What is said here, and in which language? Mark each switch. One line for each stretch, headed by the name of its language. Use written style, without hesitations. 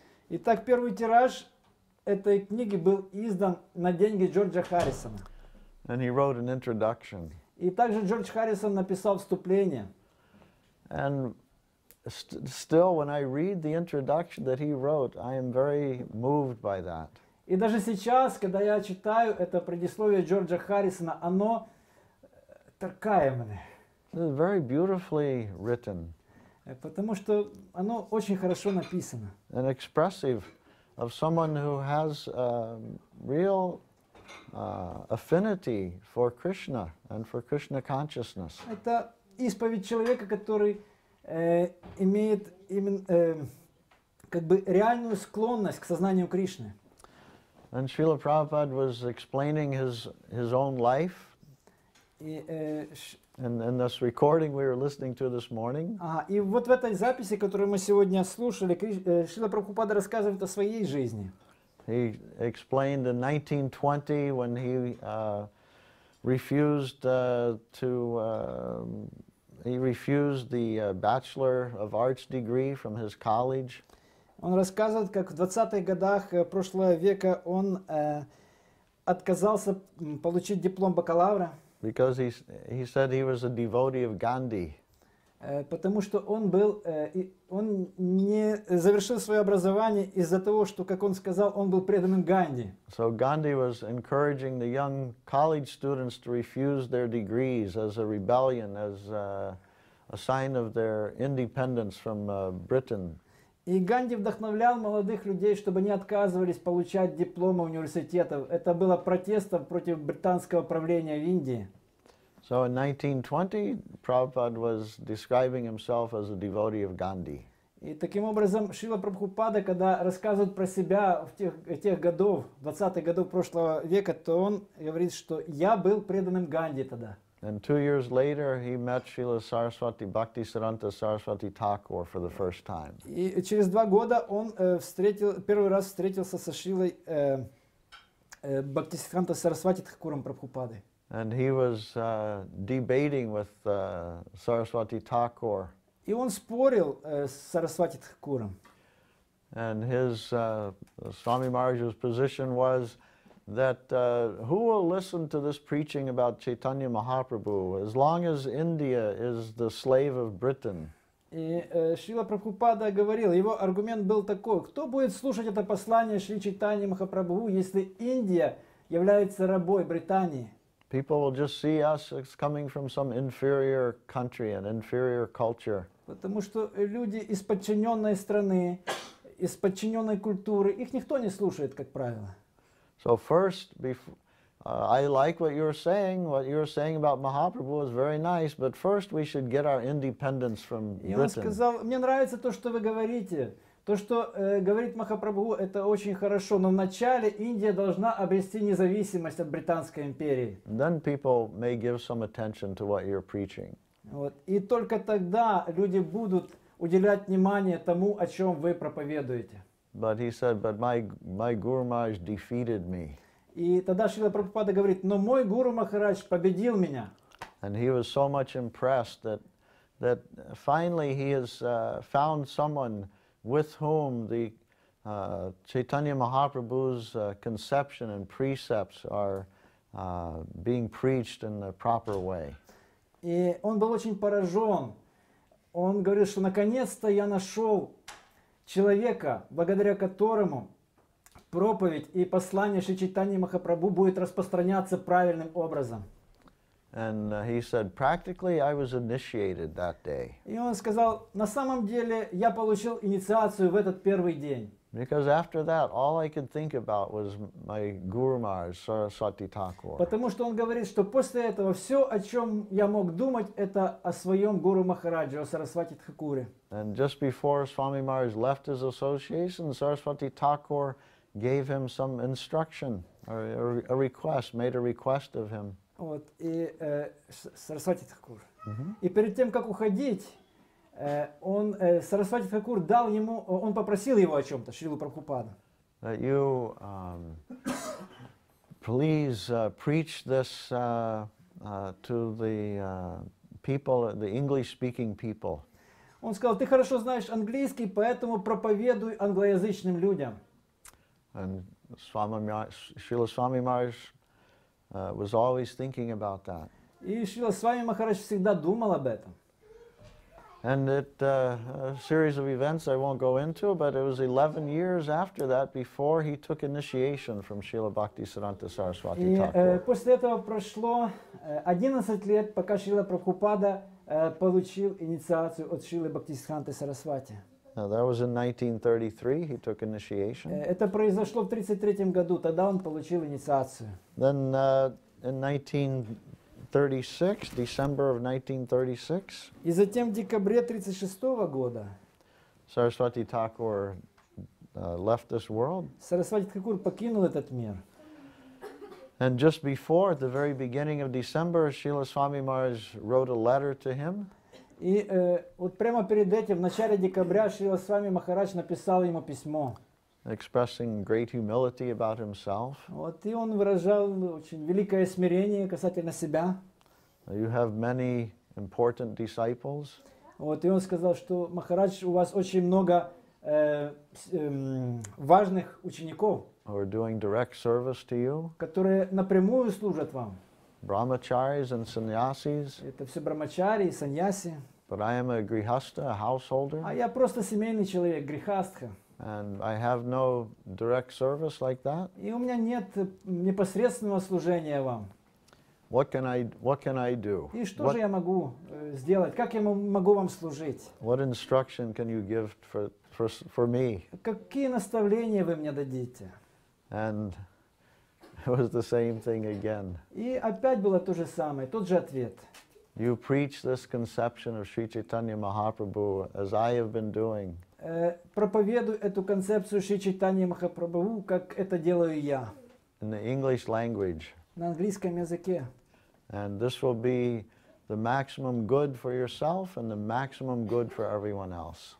Russian: Итак, первый тираж этой книги был издан на деньги Джорджа Харрисона.
English: And he wrote an introduction.
Russian: И также Джордж Харрисон написал вступление.
English: And still when I read the introduction that he wrote, I am very moved by that.
Russian: И даже сейчас, когда я читаю это предисловие Джорджа Харрисона, оно торкает меня.
English: It's very beautifully written.
Russian: Потому что оно очень хорошо написано.
English: And expressive of someone who has a real affinity for Krishna and for Krishna consciousness.
Russian: Это исповедь человека, который имеет именно как бы реальную склонность к сознанию Кришны.
English: And Srila Prabhupada was explaining his own life. And this recording we were listening to this morning.
Russian: И вот в этой записи, которую мы сегодня слушали, Шрила Прабхупада рассказывает о своей жизни.
English: He explained in 1920 when he refused the bachelor of arts degree from his college.
Russian: Он рассказывает, как в 20-х годах прошлого века он отказался получить диплом бакалавра.
English: Because he said he was a devotee of Gandhi.
Russian: Потому что он был, он не завершил свое образование из-за того, что, как он сказал, он был преданным Ганди.
English: So Gandhi was encouraging the young college students to refuse their degrees as a rebellion, as a sign of their independence from Britain.
Russian: И Ганди вдохновлял молодых людей, чтобы они отказывались получать дипломы университетов. Это было протестом против британского правления в Индии.
English: So in 1920, Prabhupada was describing himself as a devotee of Gandhi.
Russian: И таким образом, Шрила Прабхупада, когда рассказывает про себя в тех годов, 20-х годов прошлого века, то он говорит, что я был преданным Ганди тогда.
English: And 2 years later, he met Srila Saraswati Bhakti Saranta Saraswati Thakur for the first time.
Russian: И через два года он первый раз встретился со Шрилой Бхактисиддханта Сарасвати Тхакуром Прабхупадой.
English: And he was debating with Saraswati Thakur.
Russian: И он спорил с Сарасвати Тхакуром.
English: And his Swami Maharaj's position was that who will listen to this preaching about Chaitanya Mahaprabhu as long as India is the slave of Britain?
Russian: И Шрила Прабхупада говорил, его аргумент был такой: кто будет слушать это послание Шри Чайтаньи Махапрабху, если Индия является рабой Британии?
English: People will just see us as coming from some inferior country, an inferior culture.
Russian: Потому что люди из подчиненной страны, из подчиненной культуры, их никто не слушает, как правило.
English: So first, I like what you're saying. What you're saying about Mahaprabhu is very nice, but first we should get our independence from Britain.
Russian: И он сказал, мне нравится то, что вы говорите. То, что говорит Махапрабху, это очень хорошо, но вначале Индия должна обрести независимость от Британской империи.
English: Then people may give some attention to what you're preaching.
Russian: Вот. И только тогда люди будут уделять внимание тому, о чем вы проповедуете.
English: But he said, but my Guru Maharaj defeated me.
Russian: И тогда Шрила Прабхупада говорит, но мой Гуру Махарадж победил меня.
English: And he was so much impressed that finally he has found someone with whom the Chaitanya Mahaprabhu's conception and precepts are being preached in the proper way.
Russian: И он был очень поражен. Он говорил, что наконец-то я нашел человека, благодаря которому проповедь и послание Шри Чайтаньи Махапрабху будет распространяться правильным образом.
English: And he said, practically I was initiated that day.
Russian: И он сказал, на самом деле я получил инициацию в этот первый день.
English: Because after that, all I could think about was my Guru Maharaj, Saraswati Thakur.
Russian: Потому что он говорит, что после этого все, о чем я мог думать, это о своем Гуру Махарадже, о Сарасвати Тхакуре.
English: And just before Swami Maharaj left his association, Saraswati Thakur gave him some instruction, or a request, made a request of him.
Russian: Вот, и Сарасвати Тхакур. И перед тем, как уходить, он, Сарасвати Тхакур дал ему, он попросил его о чем-то, Шрилу Прабхупаду.
English: That you please preach this to the people, the English-speaking people.
Russian: Он сказал, ты хорошо знаешь английский, поэтому проповедуй англоязычным людям.
English: And Srila Swami Maharaj was always thinking about that.
Russian: И Шрила Свами Махарадж всегда думал об этом.
English: And it a series of events I won't go into, but it was 11 years after that before he took initiation from Srila Bhaktisiddhanta Saraswati Thakur.
Russian: И после этого прошло 11 лет, пока Шрила Прабхупада получил инициацию от Шрилы Бхактисиддханты Сарасвати.
English: Now that was in 1933, he took initiation.
Russian: Это произошло в 33-м году, тогда он получил инициацию.
English: Then in 1936, December of 1936.
Russian: И затем в декабре 36-го года.
English: Saraswati Thakur left this world.
Russian: Сарасвати Тхакур покинул этот мир.
English: And just before, at the very beginning of December, Srila Swami Maharaj wrote a letter to him.
Russian: И вот прямо перед этим, в начале декабря, Шрила Свами Махарадж написал ему письмо.
English: Expressing great humility about himself.
Russian: Вот, и он выражал очень великое смирение касательно себя.
English: You have many important disciples.
Russian: Вот, и он сказал, что Махарадж, у вас очень много важных учеников.
English: Who are doing direct service to you.
Russian: Которые напрямую служат вам.
English: Brahmacharis and sannyasis.
Russian: Это все брахмачари и саньяси.
English: But I am a grihastha, a householder.
Russian: А я просто семейный человек, грихастха.
English: And I have no direct service like that.
Russian: И у меня нет непосредственного служения вам.
English: What can I do?
Russian: И что же я могу сделать? Как я могу вам служить?
English: What instruction can you give for me?
Russian: Какие наставления вы мне дадите?
English: And it was the same thing again.
Russian: И опять было то же самое, тот же ответ.
English: You preach this conception of Sri Chaitanya Mahaprabhu as I have been doing.
Russian: Проповедуй эту концепцию Шри Чайтаньи Махапрабху, как это делаю я.
English: In the English language.
Russian: На английском языке.
English: And this will be the maximum good for yourself and the maximum good for everyone else.